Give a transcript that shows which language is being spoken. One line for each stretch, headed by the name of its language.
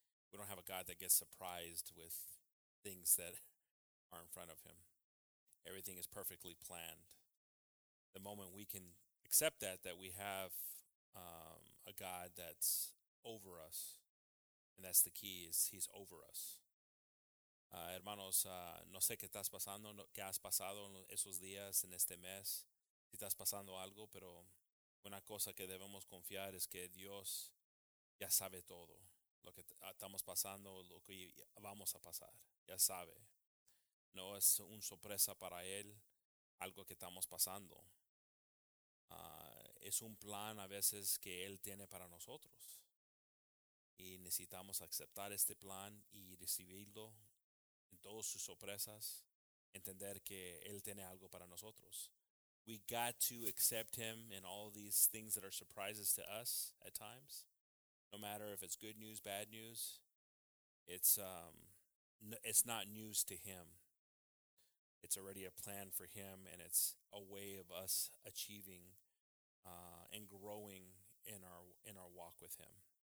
English: We don't have a God that gets surprised with things that are in front of him. Everything is perfectly planned. The moment we can accept that we have a God that's over us, and that's the key, is he's over us.
Spanish: Hermanos, no sé qué estás pasando, qué has pasado en esos días, en este mes, si estás pasando algo, pero una cosa que debemos confiar es que Dios ya sabe todo, lo que estamos pasando, lo que vamos a pasar, ya sabe. No es un sorpresa para él algo que estamos pasando. Es un plan a veces que Él tiene para nosotros. Y necesitamos aceptar este plan y recibirlo en todas sus sorpresas. Entender que Él tiene algo para nosotros.
English: We got to accept Him in all these things that are surprises to us at times. No matter if it's good news, bad news. It's not news to Him. It's already a plan for Him, and it's a way of us achieving and growing in our walk with Him.